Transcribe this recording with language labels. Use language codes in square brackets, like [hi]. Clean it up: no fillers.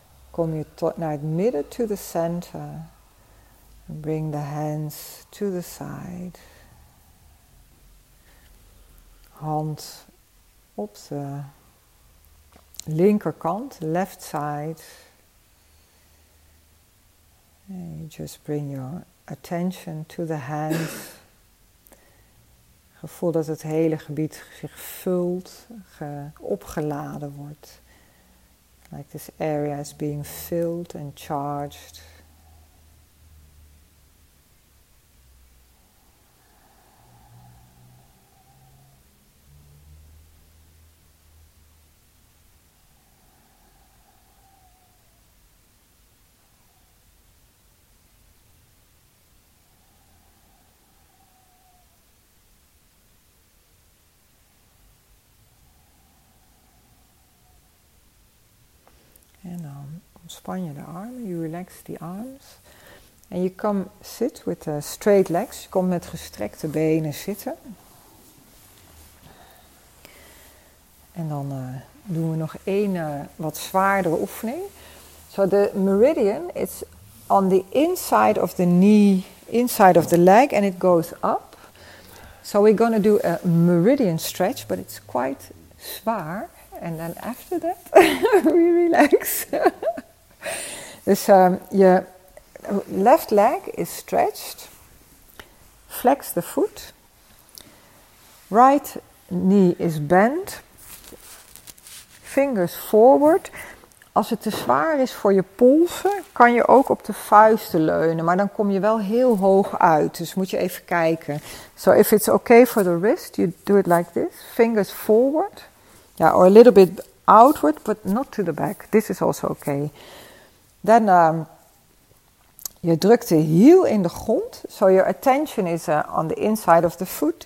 [nl] Kom je naar het midden, [en] to the center. Bring the hands to the side. [nl] hand op de linkerkant, [en] left side. And you just bring your attention to the hands. [nl] Gevoel dat het hele gebied zich vult, opgeladen wordt. [en] Like this area is being filled and charged. [nl] Span je de armen, [en] you relax the arms. And you come sit with the straight legs. [nl] Je komt met gestrekte benen zitten. En dan doen we nog één wat zwaardere oefening. [en] So the meridian is on the inside of the knee, inside of the leg, and it goes up. So we're going to do a meridian stretch, but it's quite zwaar. And then after that, we relax. [nl] Dus je [en] left leg is stretched, flex the foot, right knee is bent, fingers forward. [nl] Als het te zwaar is voor je polsen, kan je ook op de vuisten leunen, maar dan kom je wel heel hoog uit, dus moet je even kijken. [en] So if it's okay for the wrist, you do it like this, fingers forward, yeah, or a little bit outward, but not to the back. This is also okay. Then [nl] je drukt de heel in de grond. [en] So your attention is on the inside of the foot.